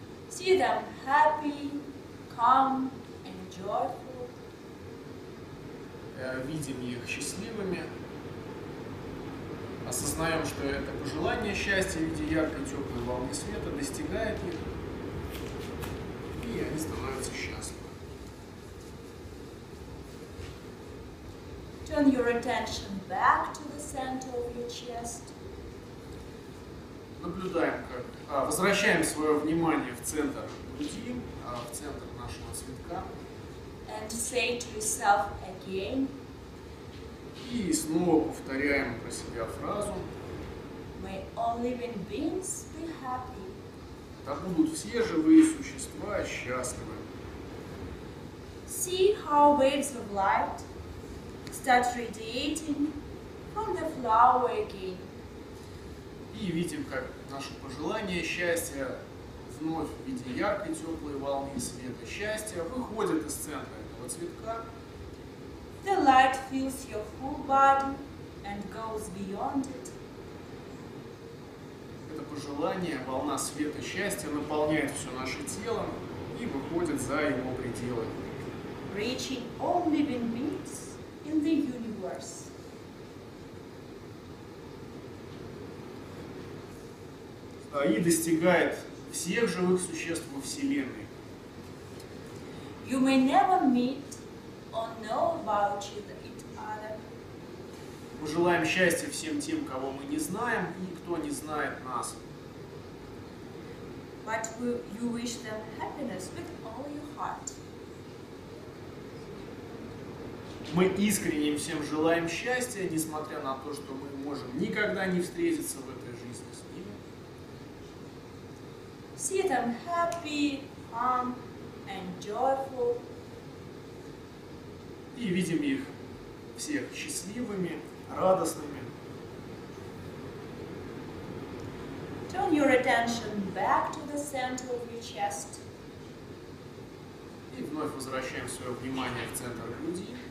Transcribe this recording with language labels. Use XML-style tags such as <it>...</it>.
<en>See them happy, calm, and joyful.</en> <ru>Видим их счастливыми. Осознаем, что это пожелание счастья в виде яркой теплой волны света достигает их. И они становятся счастливы.</ru> <en>Turn your attention back to the center of your chest.</en> <ru>Наблюдаем, как возвращаем свое внимание в центр груди, в центр нашего цветка.</ru> <en>And say to yourself again.</en> <ru>И снова повторяем про себя фразу.</ru> <en>May all living beings be happy.</en> <ru>Да будут все живые существа счастливы.</ru> <en>See how waves of light start radiating from the flower again.</en> <ru>И видим, как наше пожелание счастья вновь в виде яркой, теплой волны света счастья выходит из центра этого цветка.</ru> <en>The light fills your full body and goes beyond it.</en> <ru>Это пожелание, волна света счастья наполняет все наше тело и выходит за его пределы.</ru> <en>Reaching all living beings in the universe.</en> <ru>И достигает всех живых существ во Вселенной.</ru> <en>You may never meet or know about each other.</en> <ru>Мы желаем счастья всем тем, кого мы не знаем, и никто не знает нас.</ru> <en>But you wish them happiness with all your heart.</en> <ru>Мы искренне всем желаем счастья, несмотря на то, что мы можем никогда не встретиться в этой жизни с ними.</ru> <en>See them happy, calm, and joyful.</en> <ru>И видим их всех счастливыми, радостными.</ru> <en>Turn your attention back to the center of your chest.</en> <ru>И вновь возвращаем свое внимание в центр груди.</ru>